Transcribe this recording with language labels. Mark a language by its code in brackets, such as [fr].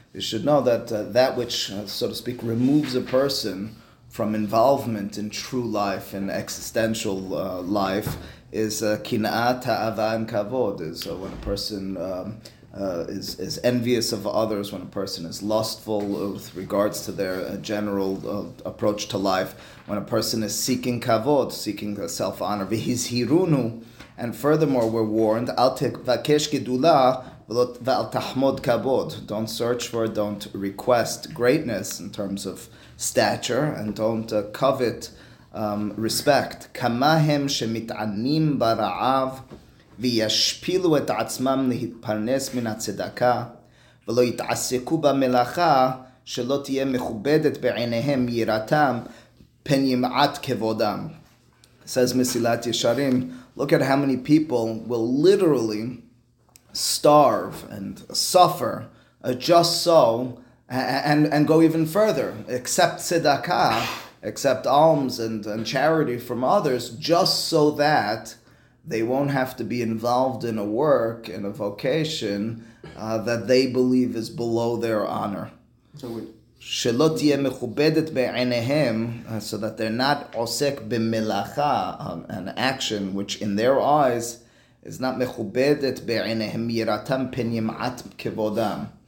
[en] You should know that that which, so to speak, removes a person from involvement in true life and existential life is Kina'a, Ta'ava, and Kabod, is when a person is envious of others, when a person is lustful with regards to their general approach to life, when a person is seeking kavod, seeking self-honor. [he] V'hizhirunu, [en] and furthermore, we're warned, [he] al tevakesh gedula v'al tahmod kavod. [en] Don't search for, don't request greatness in terms of stature, and don't covet respect. [he] Kamahem shemit'anim bara'av, וישפילו את עצמם להתפרנס מן הצדקה, ולא יתעסקו במלאכה שלא תהיה מכובדת בעיניהם יראתם, פן ימעט כבודם. [en] Says Mesilat Yesharim, look at how many people will literally starve and suffer just so, and go even further, accept tzedakah, accept alms and charity from others, just so that they won't have to be involved in a work, in a vocation, that they believe is below their honor. [he] שלא תהיה מכובדת בעיניהם, [en] so that they're not [he] עוסק במלאכה, [en] an action which in their eyes is not [he] מכובדת בעיניהם יראתם פן ימעט כבודם.